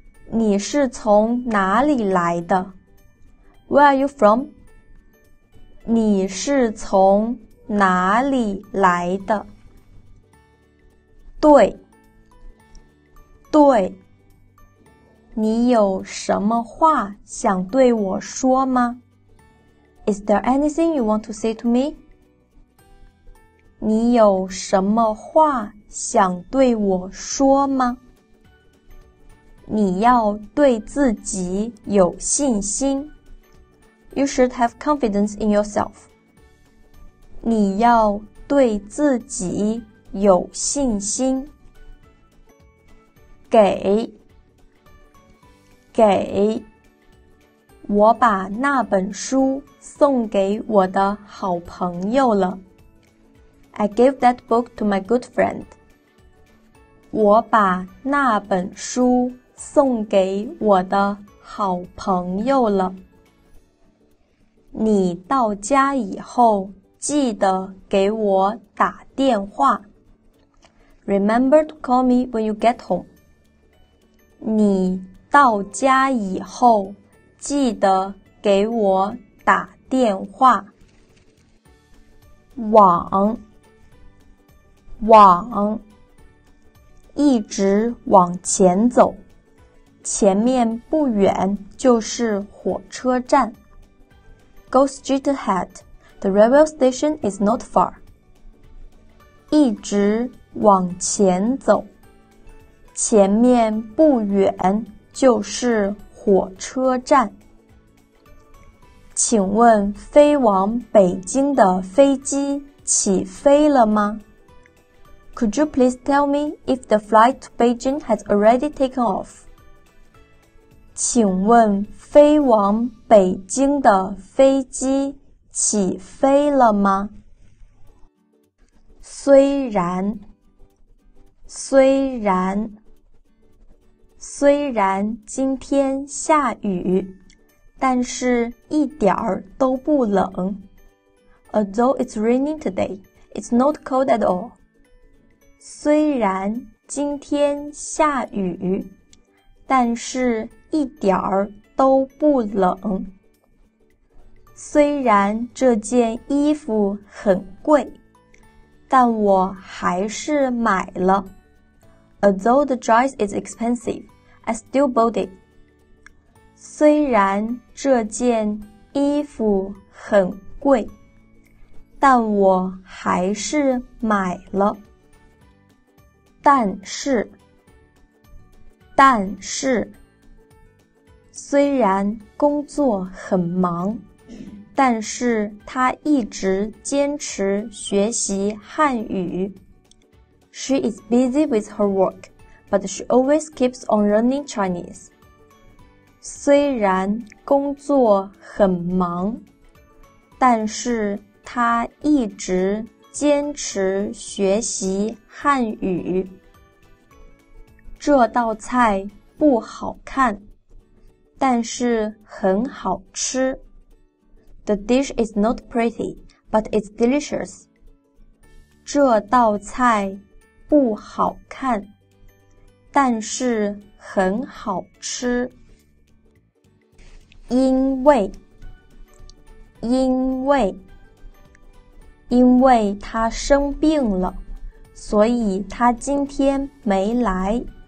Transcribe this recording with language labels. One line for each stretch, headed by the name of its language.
Chinese: 你是从哪里来的？
English: Where are you from?
Chinese: 你是从哪里来的？对，对。你有什么话想对我说吗？
English: Is there anything you want to say to me?
Chinese: 你有什么话想对我说吗？你要对自己有信心。
English: You should have confidence in yourself.
Chinese: 你要对自己有信心。给，给。我把那本书送给我的好朋友了。
English: I gave that book to my good friend.
Chinese: 我把那本书送给我的好朋友了。你到家以后记得给我打电话。
English: Remember to call me when you get home.
Chinese: 你到家以后记得给我打电话。网，网，一直往前走，前面不远就是火车站。
English: Go straight ahead. The railway station is not far.
Chinese: 一直往前走，前面不远就是火车站。请问飞往北京的飞机起飞了吗？
English: Could you please tell me if the flight to Beijing has already taken off?
Chinese: 请问飞往北京的飞机起飞了吗？虽然，虽然，虽然今天下雨，但是一点儿都不冷。
English: Although it's raining today, it's not cold at all.
Chinese: 虽然今天下雨，但是一点儿都不冷。虽然这件衣服很贵，但我还是买了。
English: Although the dress is expensive, I still bought it.
Chinese: 虽然这件衣服很贵，但我还是买了。但是，但是，虽然工作很忙，但是他一直坚持学习汉语。
English: She is busy with her work, but she always keeps on learning Chinese.
Chinese: 虽然工作很忙，但是他一直坚持学习汉语。这道菜不好看，但是很好吃。
English: The dish is not pretty, but it's delicious.
Chinese: 这道菜不好看，但是很好吃。因为，因为，因为他生病了，所以他今天没来。